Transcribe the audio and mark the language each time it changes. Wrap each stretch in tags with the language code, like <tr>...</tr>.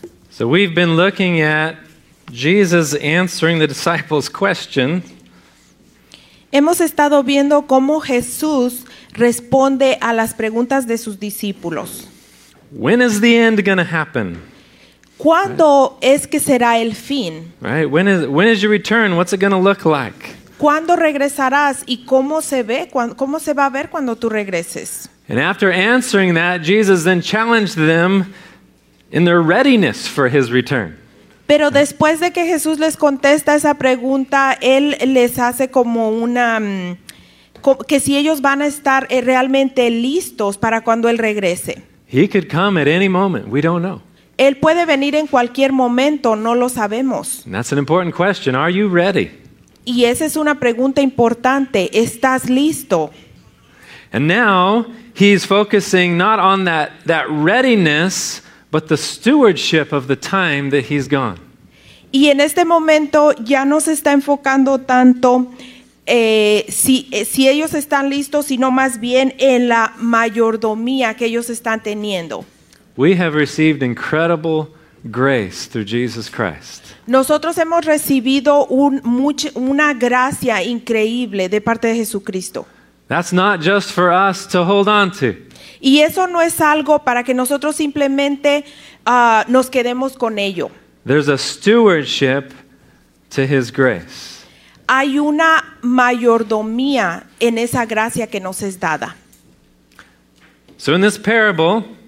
<en>So we've been looking at Jesus answering the disciples' question.</en> <es>Hemos estado viendo cómo Jesús responde a las preguntas de sus discípulos.</es> <en>When is the end going to happen?</en> <es>¿Cuándo es que será el fin?</es> <en>Right. When is your return? What's it going to look like?</en> <es>¿Cuándo regresarás y cómo se va a ver cuando tú regreses?</es> <en>And after answering that, Jesus then challenged them in their readiness for his return.</en> <es>Pero después de que Jesús les contesta esa pregunta, él les hace como una que si ellos van a estar realmente listos para cuando él regrese.</es> <en>He could come at any moment. We don't know.</en> <es>Él puede venir en cualquier momento, no lo sabemos.</es> <en>And that's an important question. Are you ready?</en> <es>Y esa es una pregunta importante. ¿Estás listo?</es> <en>And now he's focusing not on that readiness, but the stewardship of the time that he's gone.</en> <es>Y en este momento ya no se está enfocando tanto si ellos están listos, sino más bien en la mayordomía que ellos están teniendo.</es> <en>We have received incredible grace through Jesus Christ.</en> <es>Nosotros hemos recibido una gracia increíble de parte de Jesucristo.</es> <en>That's not just for us to hold on to.</en> <es>Y eso no es algo para que nosotros simplemente nos quedemos con ello.</es> <en>There's a stewardship to his grace.</en> <es>Hay una mayordomía en esa gracia que nos es dada.</es> <en>So in this parable,</en>